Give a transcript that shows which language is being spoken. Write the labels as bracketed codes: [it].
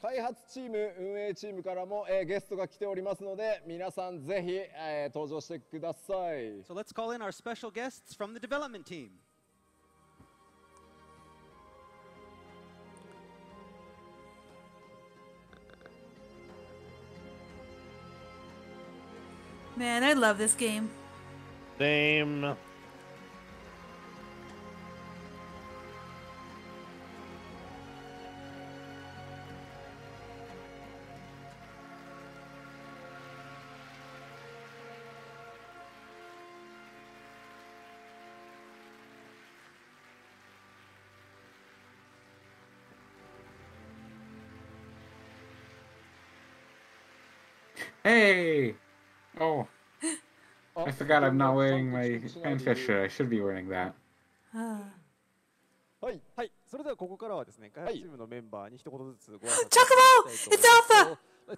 [ja] 開発チーム、運営チームからも、ゲストが来ておりますので、皆さんぜひ、登場してください。 [en] So let's call in our special guests from the development team. Man, I love this game. Same. Hey. Oh. I forgot I'm not wearing my FanFest shirt. I should be wearing that. [ja] はい。はい。それではここからはですね、開発チームのメンバーに一言ずつご挨拶したいと思います。